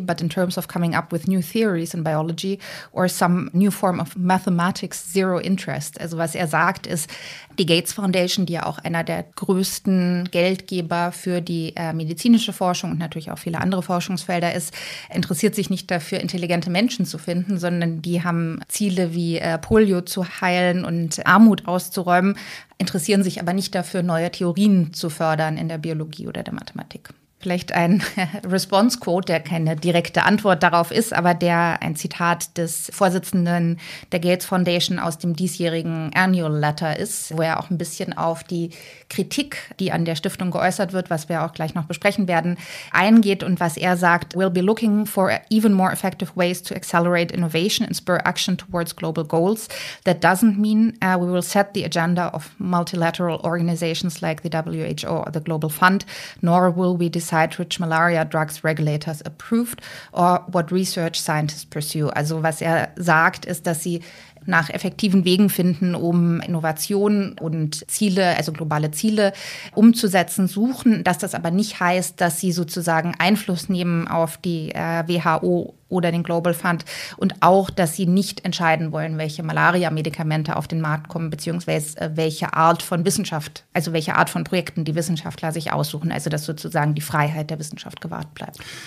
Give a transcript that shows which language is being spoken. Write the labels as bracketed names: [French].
[English] But in terms of coming up with new theories in biology or some new form of mathematics, zero interest. [German] Also was er sagt ist, die Gates Foundation, die ja auch einer der größten Geldgeber für die medizinische Forschung und natürlich auch viele andere Forschungsfelder ist, interessiert sich nicht dafür, intelligente Menschen zu finden, sondern die haben Ziele wie Polio zu heilen und Armut auszuräumen, interessieren sich aber nicht dafür, neue Theorien zu fördern in der Biologie oder der Mathematik. Vielleicht ein Response-Quote, der keine direkte Antwort darauf ist, aber der ein Zitat des Vorsitzenden der Gates Foundation aus dem diesjährigen Annual Letter ist, wo er auch ein bisschen auf die Kritik, die an der Stiftung geäußert wird, was wir auch gleich noch besprechen werden, eingeht und was er sagt, [English] we'll be looking for even more effective ways to accelerate innovation and spur action towards global goals. That doesn't mean we will set the agenda of multilateral organizations like the WHO or the Global Fund, nor will we decide which malaria drugs regulators approved or what research scientists pursue. [German] Also was er sagt, ist, dass sie nach effektiven Wegen finden, um Innovationen und Ziele, also globale Ziele umzusetzen, suchen. Dass das aber nicht heißt, dass sie sozusagen Einfluss nehmen auf die WHO oder den Global Fund und auch, dass sie nicht entscheiden wollen, welche Malaria-Medikamente auf den Markt kommen, beziehungsweise welche Art von Wissenschaft, also welche Art von Projekten die Wissenschaftler sich aussuchen, also dass sozusagen die Freiheit der Wissenschaft gewahrt bleibt.